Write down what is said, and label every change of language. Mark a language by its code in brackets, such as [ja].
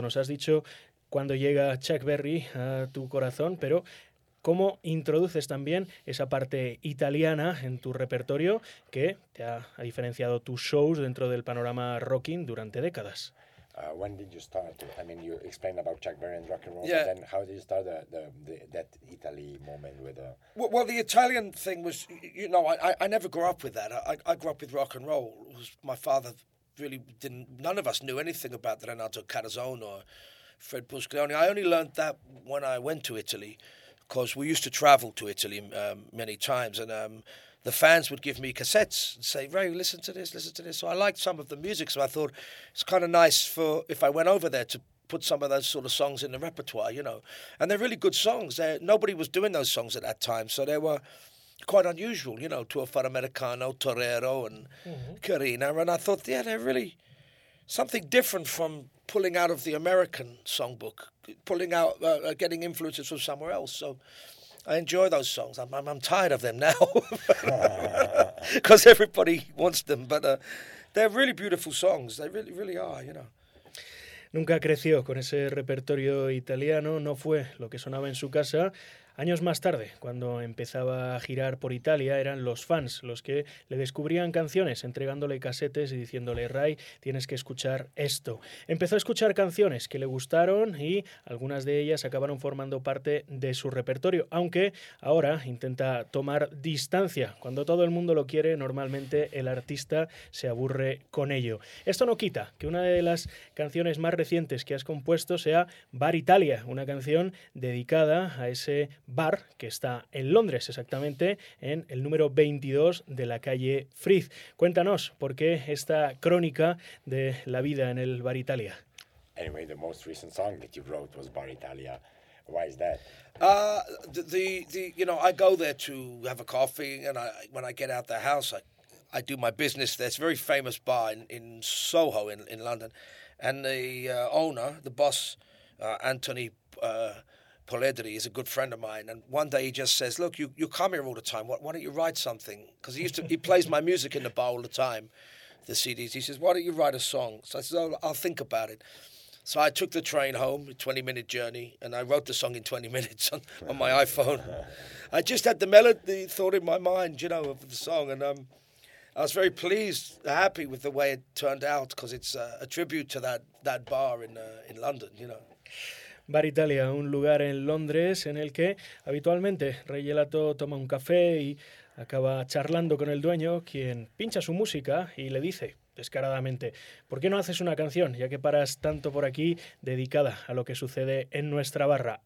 [es] Nos has dicho cuando llega Chuck Berry a tu corazón, pero ¿cómo introduces también esa parte italiana en tu repertorio que te ha diferenciado tus shows dentro del panorama rocking durante décadas? [en] When did you start? I mean, you explained about Chuck Berry and rock and roll, yeah. But then how did you start that Italy moment with the? Well, the Italian thing was, you know, I never grew up with that. I grew up with rock and roll. It was my father really didn't. None of us knew anything about the Renato Carazone or Fred Buscaglione. I only learned that when I went to Italy, because we used to travel to Italy many times, and the fans would give me cassettes and say, Ray, listen to this, listen to this. So I liked some of the music, so I thought it's kind of nice for if I went over there to put some of those sort of songs in the repertoire, you know. And they're really good songs. Nobody was doing those songs at that time, so they were quite unusual, you know, Tuo Far Americano, Torero and Carina. And I thought, yeah, they're really something different from pulling out of the American songbook, pulling out, getting influences from somewhere else. So I enjoy those songs. I'm tired of them now because everybody wants them. But they're really beautiful songs. They really, really are, you know. [es] Nunca creció con ese repertorio italiano. No fue lo que sonaba en su casa. Años más tarde, cuando empezaba a girar por Italia, eran los fans los que le descubrían canciones, entregándole casetes y diciéndole: Ray, tienes que escuchar esto. Empezó a escuchar canciones que le gustaron y algunas de ellas acabaron formando parte de su repertorio, aunque ahora intenta tomar distancia. Cuando todo el mundo lo quiere, normalmente el artista se aburre con ello. Esto no quita que una de las canciones más recientes que has compuesto sea Bar Italia, una canción dedicada a ese bar que está en Londres, exactamente en el número 22 de la calle Frith. Cuéntanos por qué esta crónica de la vida en el Bar Italia. [en] Anyway, the most recent song that you wrote was Bar Italia. Why is that? I go there to have a coffee, and when I get out the house, I do my business there. It's a very famous bar in Soho in London, and the owner, the boss, Anthony Poledri, is a good friend of mine. And one day he just says, "Look, you come here all the time. Why don't you write something?" Because he plays my music in the bar all the time, the CDs. He says, "Why don't you write a song?" So I said, "Oh, I'll think about it." So I took the train home, a 20-minute journey, and I wrote the song in 20 minutes on my iPhone. I just had the melody thought in my mind, you know, of the song, and I was very pleased, happy with the way it turned out, because it's a tribute to that bar in London, you know. [es] Bar Italia, un lugar en Londres en el que habitualmente Ray Gelato toma un café y acaba charlando con el dueño, quien pincha su música y le dice descaradamente: ¿por qué no haces una canción, ya que paras tanto por aquí, dedicada a lo que sucede en nuestra barra?